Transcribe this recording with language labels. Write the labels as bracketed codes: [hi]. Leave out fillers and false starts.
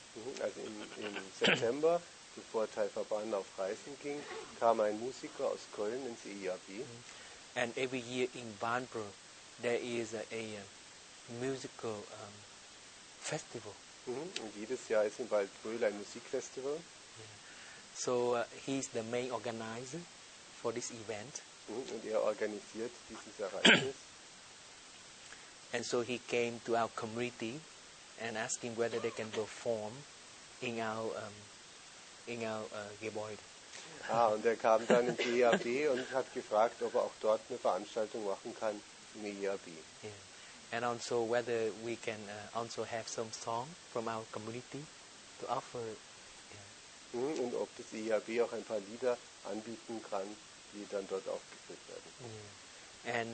[de] Also in September, bevor Teilverband auf Reisen ging, kam ein Musiker aus Köln ins AERB. [en] And every year in Barnbro, there is a musical festival. [de] Und jedes Jahr ist in Waldbröl ein Musikfestival. [en] So he is the main organizer for this event. [de] Und er organisiert dieses Ereignis. [en] And so he came to our community and asking whether they can perform in our Gebäude. [de] Ah, und er kam dann in die EAB und hat gefragt, ob er auch dort eine Veranstaltung machen kann in die EAB. [en] Yeah. And also whether we can also have some song from our community to offer. Yeah. [de] Und ob das EAB auch ein paar Lieder anbieten kann, die dann dort aufgeführt werden.